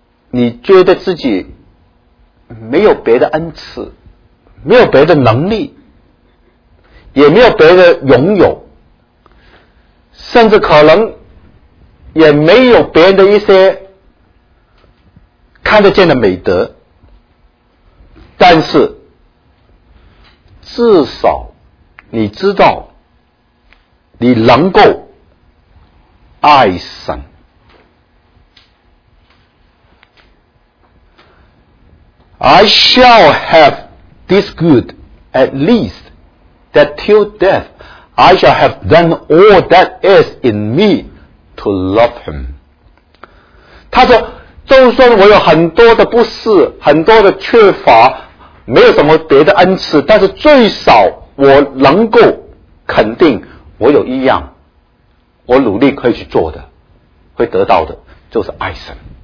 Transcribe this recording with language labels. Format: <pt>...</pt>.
<zh>你觉得自己没有别的恩赐，没有别的能力，也没有别的拥有，甚至可能也没有别人的一些看得见的美德，但是至少你知道你能够爱神。</zh> <en>I shall have this good at least that till death I shall have done all that is in me to love him。</en> <zh>他说就算我有很多的不适，很多的缺乏，没有什么别的恩赐，但是最少我能够肯定我有一样我努力可以去做的会得到的，就是爱神。</zh>